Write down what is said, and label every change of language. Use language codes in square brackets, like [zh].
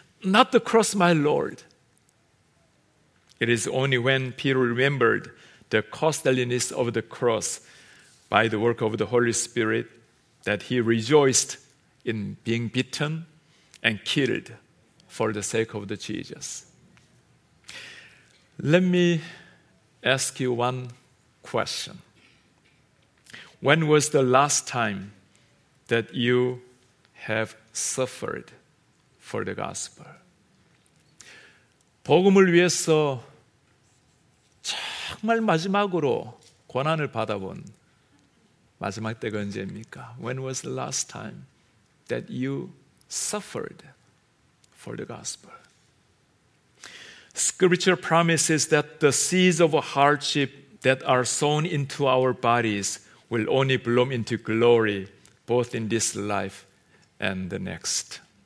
[en] Not the cross, my Lord. It is only when Peter remembered the costliness of the cross by the work of the Holy Spirit that he rejoiced in being beaten and killed for the sake of the Jesus. Let me ask you one question. When was the last time that you have suffered for the gospel? [ko] 복음을 위해서 정말 마지막으로 고난을 받아본 마지막 때가 언제입니까? [en] When was the last time that you suffered for the gospel? Scripture promises that the seeds of hardship that are sown into our bodies will only bloom into glory, both in this life and the next.